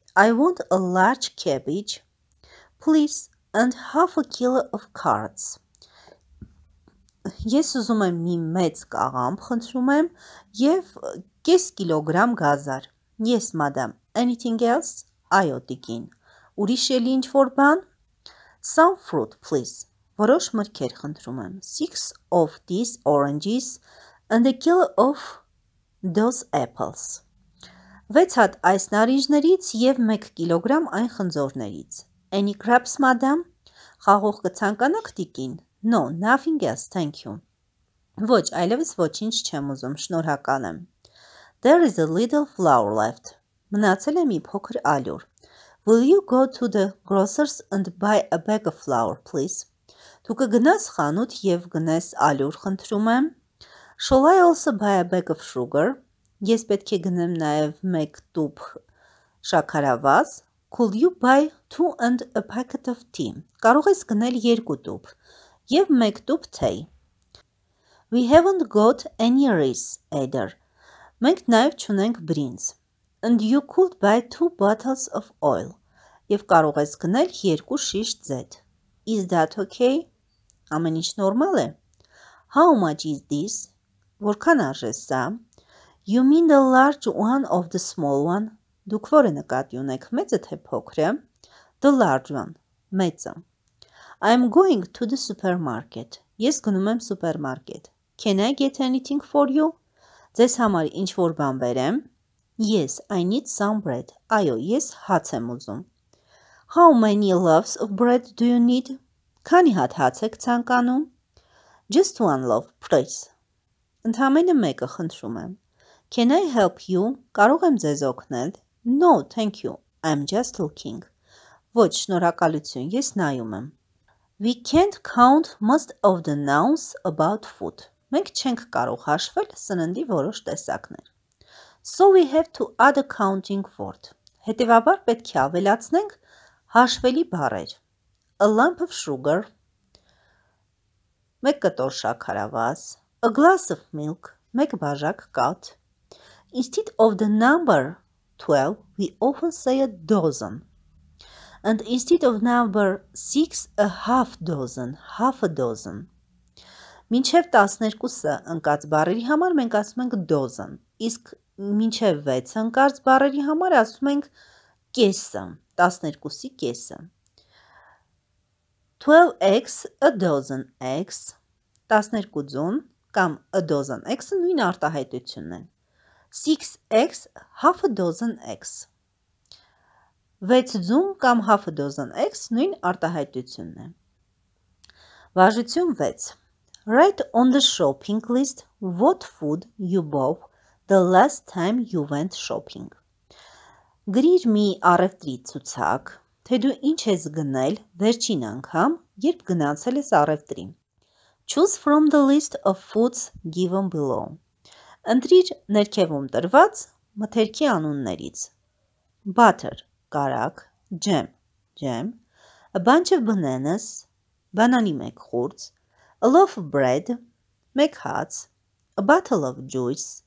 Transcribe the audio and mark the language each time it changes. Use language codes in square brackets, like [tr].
[en] I want a large cabbage, please, and half a kilo of carrots. [hy] Ես ուզում եմ մի մեծ կաղամբ, խնդրում եմ, և կես կիլոգրամ գազար։ [en] Yes, madam. Anything else? [hy] Այո, տիկին, ուրիշ էլի ինչ-որ բան? [en] Some fruit, please. [hy] Որոշ մրգեր խնդրում եմ. [en] 6 of these oranges and a kilo of those apples. [hy] 6 հատ այս նարինջներից և 1 կիլոգրամ այն խնձորներից. [en] Any crabs, madam? [hy] Խաղող կցանկանաք, տիկին? [en] No, nothing else, thank you. [hy] Ոչ, այլևս ոչինչ չեմ ուզում, շնորհակալ եմ. [en] There is a little flour left. [hy] Մնացել է մի փոքր ալյուր. [en] Will you go to the grocer's and buy a bag of flour, please? [hy] Դու կգնաս խանութ և գնես ալյուր, խնդրում եմ. [en] Shall I also buy a bag of sugar? [hy] Ես պետք է գնեմ նաև մեկ տուփ շաքարավազ. [en] Could you buy two and a packet of tea? Կարող ես գնել երկու տուփ և մեկ տուփ թեյ. We haven't got any rice either. [hy] Մենք նաև չունենք բրինձ. [en] And you could buy two bottles of oil. [hy] Եվ կարող ես գնել երկու շիշ ձետ. [en] Is that okay? [hy] Ամեն ինչ նորմալ է. [en] How much is this? [hy] Որքան արժե սա? [en] You mean the large one of the small one? [hy] Դուք որ է նկատի ունեք, մեծը թե փոքրը? [en] The large one. [hy] Մեծը. [en] I'm going to the supermarket. [hy] Ես գնում եմ [en] supermarket. Can I get anything for you? [hy] Ձեզ համար ինչ-որ բան բերեմ? [en] Yes, I need some bread. [hy] Այո, ես հաց եմ ուզում. [en] How many loaves of bread do you need? [hy] Քանի հատ հաց եք ցանկանում? [en] Just one loaf, please. [hy] Ընդամենը մեկը, խնդրում եմ. [en] Can I help you? [hy] Կարող եմ ձեզ օգնել? [en] No, thank you. I'm just looking. [hy] Ոչ, շնորհակալություն, ես նայում եմ. [en] We can't count most of the nouns about food. [hy] Մենք չենք կարող հաշվել սննդի որոշ տեսակներ. [en] So we have to add a counting word. [hy] Հետևաբար պետք է ավելացնենք հաշվելի բառեր. [en] A lump of sugar. [hy] Մեկ կտոր շաքարավազ. [en] A glass of milk. [hy] Մեկ բաժակ կաթ. [en] Instead of the number 12, we often say a dozen. And instead of number 6, a half dozen. Half a dozen. [hy] Մինչև 12-ը ընկած բառերի համար մենք ասում ենք dozen. Իսկ մինչև 6-ը ընկած բառերի համար ասում ենք կեսը, 12-ի կեսը. [en] 12 eggs, a dozen eggs. 12 [hy] ձուն կամ [en] a dozen eggs-ը [hy] նույն արտահայտությունն են. [en] 6 eggs, half a dozen eggs. 6 [hy] ձուն կամ [en] half a dozen eggs [hy] նույն արտահայտությունն է։ Վարժություն 6. [en] Write on the shopping list what food you bought the last time you went shopping. [hy] Գրիր մի առևտրի ցուցակ, թե դու ինչ ես գնել վերջին անգամ, երբ գնացել ես առևտրին. [en] Choose from the list of foods given below. [hy] Ընտրիր ներքևում տրված մթերքի անուններից. [en] Butter, կարակ, jam, jam, a bunch of bananas, [hy] բանանի մեկ խուրձ, [en] a loaf of bread, [hy] մեկ հաց, [en] a bottle of juice,